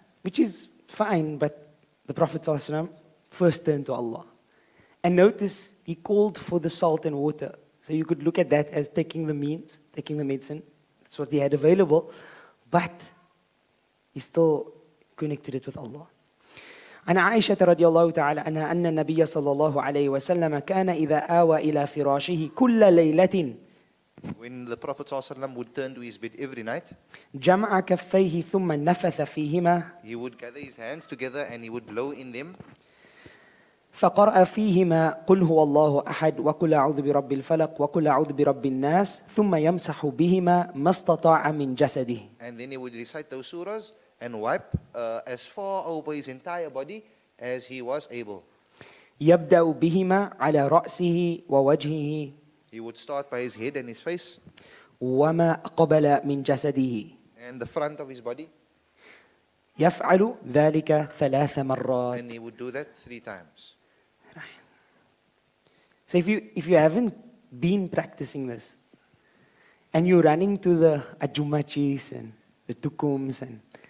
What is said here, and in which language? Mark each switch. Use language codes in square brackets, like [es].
[en] Which is fine, but the Prophet ﷺ first turned to Allah. And notice, he called for the salt and water. So you could look at that as taking the means, taking the medicine. That's what he had available. But he still connected it with Allah. [ar] عن عائشة رضي الله تعالى عنها أن النبي صلى الله عليه وسلم كان إذا آوى إلى فراشه كل ليلة. [en] When the Prophet صلى الله عليه وسلم would turn to his bed every night. [ar] جمع كفيه ثم نفث فيهما. [en] He would gather his hands together and he would blow in them. [ar] فقرأ فيهما قل هو الله أحد وقل أعوذ برب الفلق وقل أعوذ برب الناس ثم يمسح بهما ما استطاع من جسده. [en] And then he would recite those surahs and wipe as far over his entire body as he was able. [ar] يبدأ بهما على رأسه ووجهه. [en] He would start by his head and his face. [ar] وما قبل من جسده. [en] And the front of his body. [ar] يفعل ذلك ثلاث مرات. [en] And he would do that three times. So if you haven't been practicing this, and you're running to the Ajumachis and the Tukums and